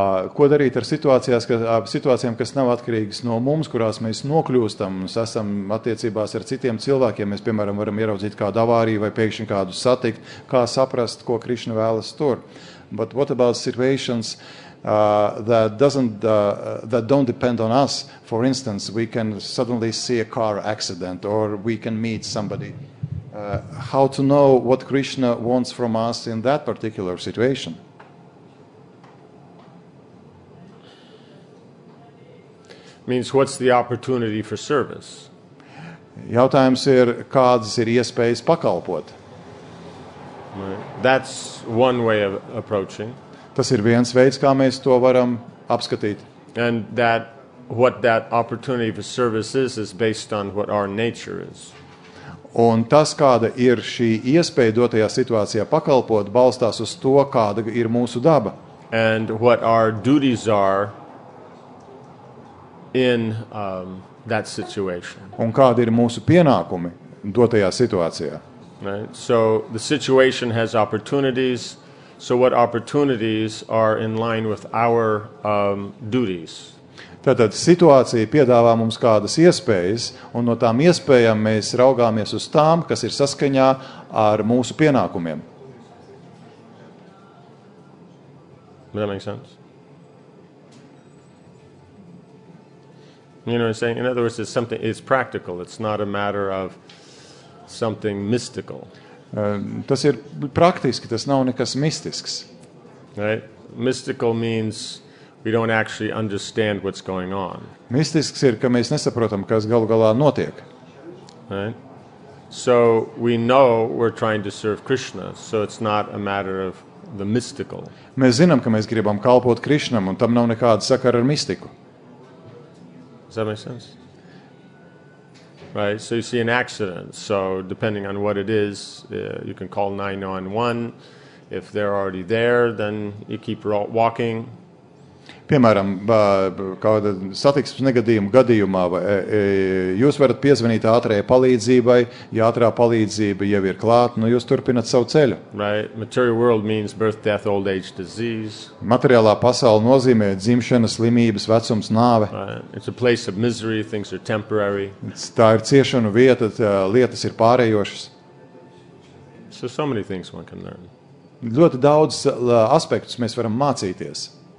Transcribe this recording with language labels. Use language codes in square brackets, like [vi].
[lv] Ko darīt ar situācijām, kas nav atkarīgas no mums, kurās mēs nokļūstam, mēs esam attiecībās ar citiem cilvēkiem, mēs, piemēram, varam ieraudzīt kādu avāriju vai pēkšņi kādu satikt, kā saprast, ko Krišna vēlas tur. [en] But what about situations that don't depend on us? For instance, we can suddenly see a car accident or we can meet somebody. How to know what Krishna wants from us in that particular situation? Means what's the opportunity for service? [lv] Jautājums ir, kādas ir iespējas pakalpot? [en] Right. That's one way of approaching. [lv] Tas ir viens veids, kā mēs to varam apskatīt. [en] And that what that opportunity for service is based on what our nature is. [lv] Un tas, kāda ir šī iespēja dotajā situācijā pakalpot, balstās uz to, kāda ir mūsu daba. [en] And what our duties are in that situation. [lv] Un kādi ir mūsu pienākumi dotajā situācijā. [en] Right? So the situation has opportunities, so what opportunities are in line with our duties. [lv] Tātad situācija piedāvā mums kādas iespējas, un no tām iespējām mēs raugāmies uz tām, kas ir saskaņā ar mūsu pienākumiem. [en] Does that make sense? You know what I'm saying? In other words, it's something, it's practical. It's not a matter of something mystical. [lv] Tas ir praktiski, tas nav nekas mistisks. [en] Right? Mystical means we don't actually understand what's going on. [lv] Mistisks ir, ka mēs nesaprotam, kas galu galā notiek. [en] Right? So we know we're trying to serve Krishna, so it's not a matter of the mystical. [lv] Mēs zinām, ka mēs gribam kalpot Krišnam, un tam nav nekāda sakara ar mistiku. [en] Does that make sense? Right, so you see an accident, so depending on what it is, you can call 911. If they're already there, then you keep walking. [lv] Piemēram, kāda satiksmes negadījuma gadījumā, jūs varat piezvanīt ātrajai palīdzībai, ja ātrā palīdzība jau ir klāt, nu jūs turpināt savu ceļu. [en] Right, material world means birth, death, old age, disease. [lv] Materiālā pasaule nozīmē dzimšanas, slimības, vecums, nāve. [en] Right. It's a place of misery, things are temporary. [lv] Tā ir ciešanu vieta, lietas ir pārējošas. [en] So many things one can learn. [lv] Ļoti daudz aspektus mēs varam mācīties.